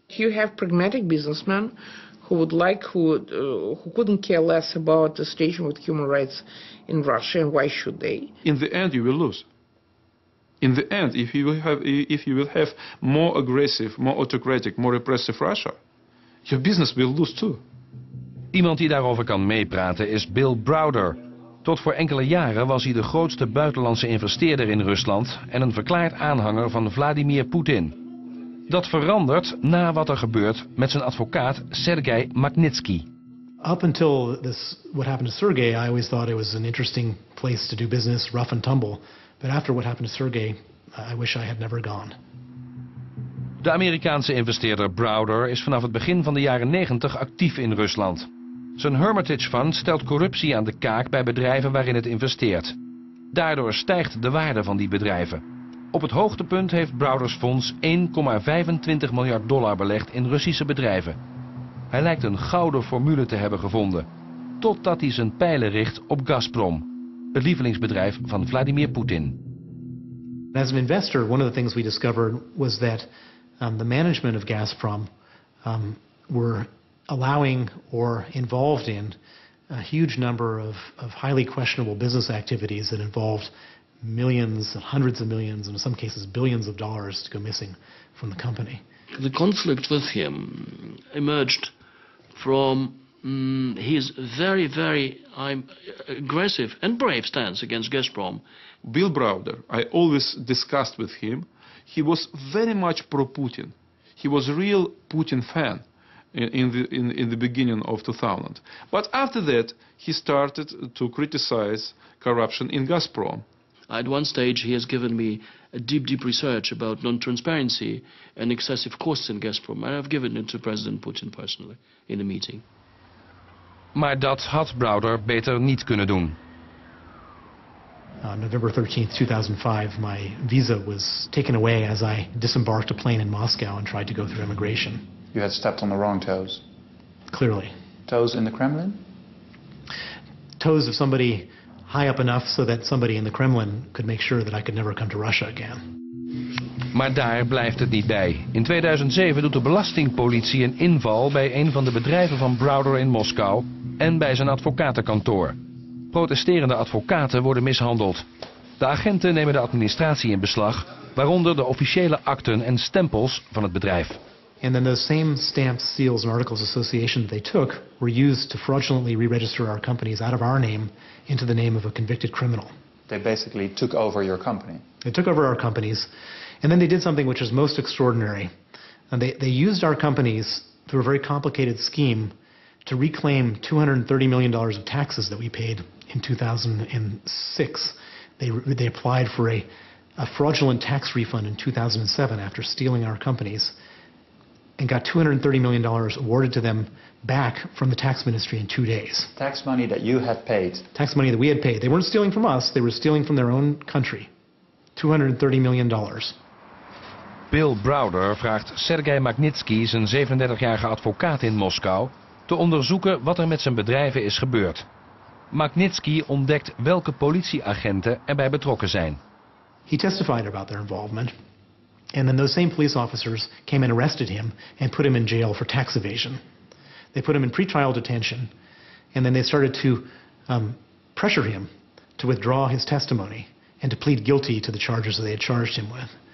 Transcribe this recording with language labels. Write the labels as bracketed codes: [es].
[en] You have pragmatic businessmen who would like, who couldn't care less about the situation with human rights in Russia, and why should they? In the end, you will lose. In the end, if you will have more aggressive, more autocratic, more repressive Russia, your business will lose too. [nl] Iemand die daarover kan meepraten is Bill Browder. Tot voor enkele jaren was hij de grootste buitenlandse investeerder in Rusland en een verklaard aanhanger van Vladimir Poetin. Dat verandert na wat er gebeurt met zijn advocaat Sergei Magnitsky. [en] Up until this, what happened to Sergei, I always thought it was an interesting place to do business, rough and tumble. But after what happened to Sergei, I wish I had never gone. [nl] De Amerikaanse investeerder Browder is vanaf het begin van de jaren 90 actief in Rusland. Zijn Hermitage Fund stelt corruptie aan de kaak bij bedrijven waarin het investeert. Daardoor stijgt de waarde van die bedrijven. Op het hoogtepunt heeft Browder's fonds 1,25 miljard dollar belegd in Russische bedrijven. Hij lijkt een gouden formule te hebben gevonden. Totdat hij zijn pijlen richt op Gazprom, het lievelingsbedrijf van Vladimir Poetin. [en] As an investor, one of the things we discovered was that the management of Gazprom were allowing or involved in a huge number of highly questionable business activities that involved millions, hundreds of millions, and in some cases billions of dollars to go missing from the company. The conflict with him emerged from his very, very aggressive and brave stance against Gazprom. Bill Browder, I always discussed with him. He was very much pro-Putin. He was a real Putin fan in the beginning of 2000. But after that, he started to criticize corruption in Gazprom. At one stage, he has given me a deep, deep research about non-transparency and excessive costs in Gazprom. And I've given it to President Putin personally in a meeting. [nl] Maar dat had Browder beter niet kunnen doen. [en] On November 13th, 2005, my visa was taken away as I disembarked a plane in Moscow and tried to go through immigration. You had stepped on the wrong toes. Clearly. Toes in the Kremlin? Toes of somebody high up enough so that somebody in the Kremlin could make sure that I could never come to Russia again. [nl] Maar daar blijft het niet bij. In 2007 doet de belastingpolitie een inval bij een van de bedrijven van Browder in Moskou en bij zijn advocatenkantoor. Protesterende advocaten worden mishandeld. De agenten nemen de administratie in beslag, waaronder de officiële akten en stempels van het bedrijf. [en] And then those same stamps, seals, and articles of association that they took were used to fraudulently re-register our companies out of our name into the name of a convicted criminal. They basically took over your company. They took over our companies, and then they did something which is most extraordinary. And they used our companies through a very complicated scheme to reclaim $230 million of taxes that we paid in 2006. They applied for a fraudulent tax refund in 2007 after stealing our companies, and got $230 million awarded to them back from the tax ministry in 2 days. Tax money that you had paid. Tax money that we had paid. They weren't stealing from us, they were stealing from their own country. $230 million. [nl] Bill Browder vraagt Sergei Magnitsky, zijn 37-jarige advocaat in Moskou, te onderzoeken wat er met zijn bedrijven is gebeurd. Magnitsky ontdekt welke politieagenten erbij betrokken zijn. [en] He testified about their involvement. And then those same police officers came and arrested him and put him in jail for tax evasion. They put him in pretrial detention, and then they started to pressure him to withdraw his testimony and to plead guilty to the charges that they had charged him with.